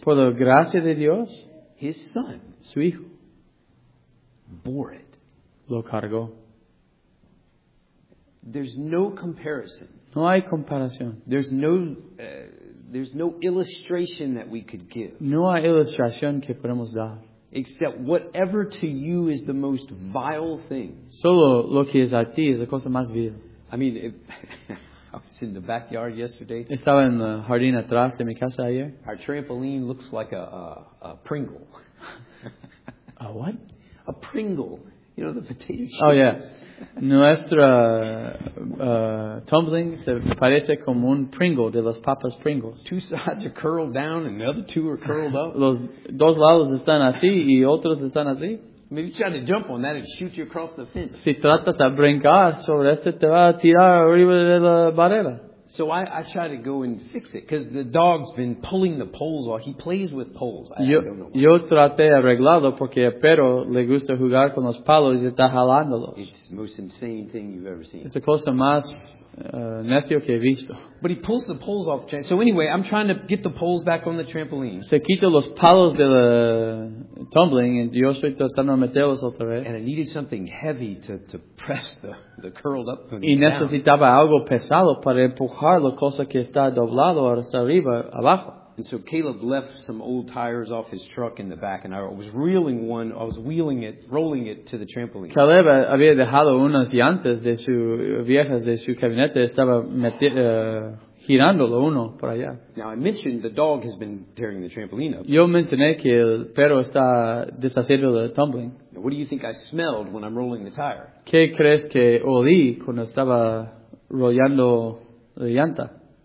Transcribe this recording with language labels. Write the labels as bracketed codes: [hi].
[es] Por la gracia de Dios. [en] His son. [es] Su hijo. [en] Bore it. [es] Lo cargó. [en] There's no comparison. [es] No hay comparación. [en] There's no illustration that we could give. [es] No hay ilustración que podemos dar. [en] Except whatever to you is the most vile thing. [es] Solo lo que es a ti es la cosa más vil. [en] I mean, I was in the backyard yesterday. [es] Estaba en el jardín atrás de mi casa ayer. [en] Our trampoline looks like a Pringle. A what? A Pringle. You know, the potato chips. Oh, yeah. [es] Nuestra tumbling se parece como un Pringle de las papas Pringles. [en] Two sides are curled down and the other two are curled up. [es] Los dos lados están así y otros están así. [en] Maybe you try to jump on that and shoot you across the fence. [es] Si tratas de brincar sobre este, te va a tirar arriba de la barrera. [en] So I try to go and fix it because the dog's been pulling the poles off. He plays with poles. I don't know why. [es] Yo traté arreglarlo porque el perro le gusta jugar con los palos y está jalándolos. [en] It's the most insane thing you've ever seen. [es] Es la cosa más necio que he visto. [en] But he pulls the poles off the trampoline. So anyway, I'm trying to get the poles back on the trampoline. [es] Se quita los palos de la tumbling y yo estoy tratando de meterlos otra vez. [en] And I needed something heavy to press the curled up and down. [es] Y necesitaba algo pesado para empujar la cosa que está doblado hasta arriba, abajo. [en] And so Caleb left some old tires off his truck in the back, and I was wheeling it, rolling it to the trampoline. [es] Caleb había dejado unas llantas de su viejas de su camioneta, estaba girándolo uno por allá. [en] Now I mentioned the dog has been tearing the trampoline up. [es] Yo mencioné que el perro está deshaciendo el tumbling. [en] Now what do you think I smelled when I'm rolling the tire? [es] ¿Qué crees que olí cuando estaba rollando la llanta?